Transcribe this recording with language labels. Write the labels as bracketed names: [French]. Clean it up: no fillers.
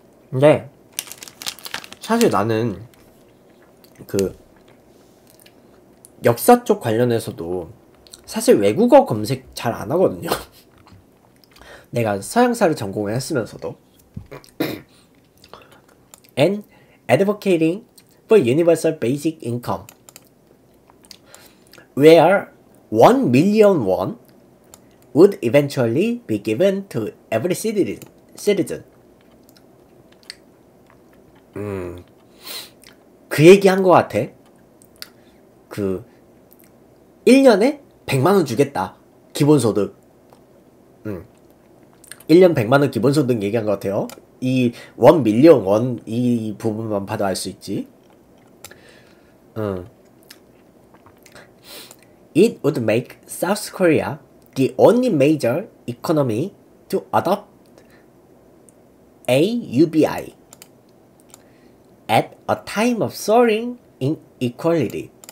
[Korean] 근데 사실 나는 그 역사 쪽 관련해서도 사실 외국어 검색 잘 안 하거든요. 내가 서양사를 전공을 했으면서도. [English] And advocating for universal basic income where 1 million won would eventually be given to every citizen. [Korean] 그 얘기한 것 같아. 그 1년에 100만 원 주겠다, 기본소득. 1년 100만 원 기본소득 얘기한 것 같아요. 이원 밀리언 원이 부분만 봐도 알수 있지. [English] It would make South Korea the only major economy to adopt AUBI at a time of soaring inequality.